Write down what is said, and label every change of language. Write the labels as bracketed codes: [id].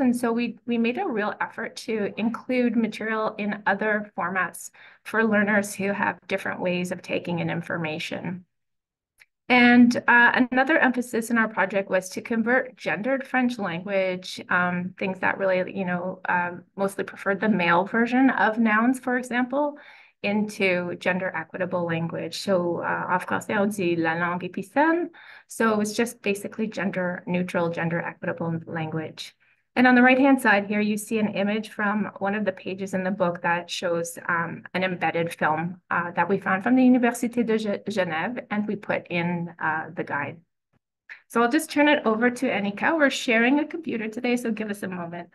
[en] And so we made a real effort to include material in other formats for learners who have different ways of taking in information. And another emphasis in our project was to convert gendered French language, things that really, you know, mostly preferred the male version of nouns, for example, into gender equitable language. [fr] So en français, on dit la langue épicène. [en] So it was just basically gender neutral, gender equitable language. And on the right-hand side here, you see an image from one of the pages in the book that shows an embedded film that we found from the Université de Genève, and we put in the guide. So I'll just turn it over to Anika. We're sharing a computer today, so give us a moment.